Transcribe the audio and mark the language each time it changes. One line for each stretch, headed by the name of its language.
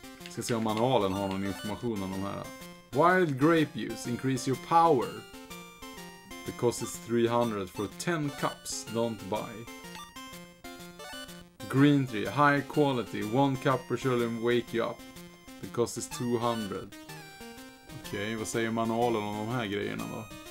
Swedish: Ska se om manualen har någon information om de här.
English: Wild grape juice, increase your power. The cost is 300 for 10 cups, don't buy. Green tea, high quality, 1 cup per surely wake you up. The cost is 200.
Swedish: Okej, vad säger manualen om de här grejerna då?